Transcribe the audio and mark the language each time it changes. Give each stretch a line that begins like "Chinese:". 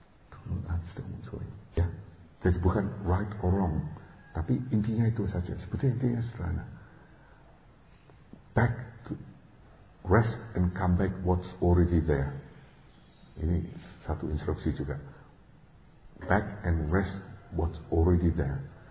English: To understand what's going on.
Indonesian: Ya. Jadi bukan
English: right or wrong,
Indonesian: tapi intinya itu saja. Seperti intinya sederhana.
English: Back to rest and come back what's already there.
Indonesian: Ini satu instruksi juga.
English: Back and rest what's already there.